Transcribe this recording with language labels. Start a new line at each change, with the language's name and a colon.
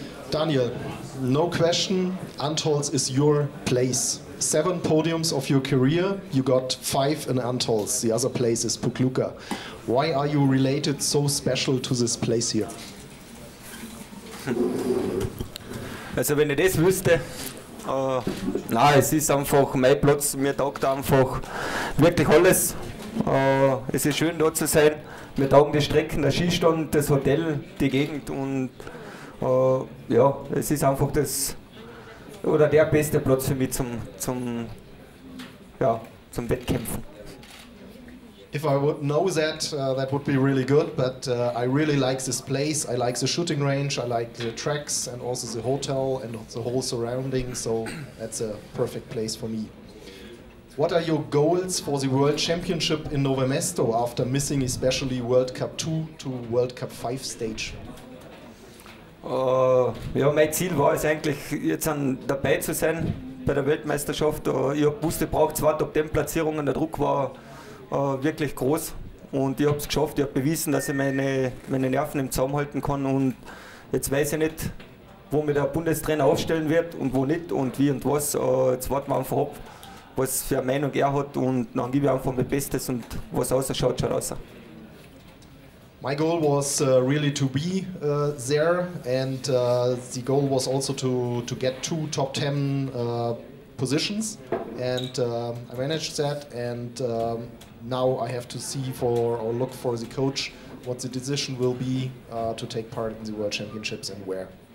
English: Daniel, no question, Antols is your place. 7 podiums of your career, you got 5 in Antols. The other place is Pokljuka. Why are you related so special to this place here?
German: Also, wenn ihr das wüsste, nein, es ist einfach mein Platz. Mir taugt einfach wirklich alles. Es ist schön, dort zu sein. Mir taugen die Strecken, der Skistand, das Hotel, die Gegend und. Ja, es ist einfach das oder der beste Platz für mich zum Wettkämpfen.
English: If I would know that, that would be really good. But I really like this place. I like the shooting range. I like the tracks and also the hotel and the whole surrounding. So that's a perfect place for me. What are your goals for the World Championship in Nové Mesto after missing especially World Cup 2 to World Cup 5 stage?
German: Ja, mein Ziel war es eigentlich, jetzt dabei zu sein bei der Weltmeisterschaft. Ich wusste, ich brauche 2 Top-10-Platzierungen. Der Druck war wirklich groß. Und ich habe es geschafft. Ich habe bewiesen, dass ich meine Nerven im Zaum halten kann. Und jetzt weiß ich nicht, wo mir der Bundestrainer aufstellen wird und wo nicht und wie und was. Jetzt warten wir einfach ab, was für eine Meinung er hat. Und dann gebe ich einfach mein Bestes. Und was ausschaut, schaut aus.
English: My goal was really to be there, and the goal was also to get 2 top 10 positions. and I managed that, and now I have to see for or look for the coach what the decision will be to take part in the World Championships and where.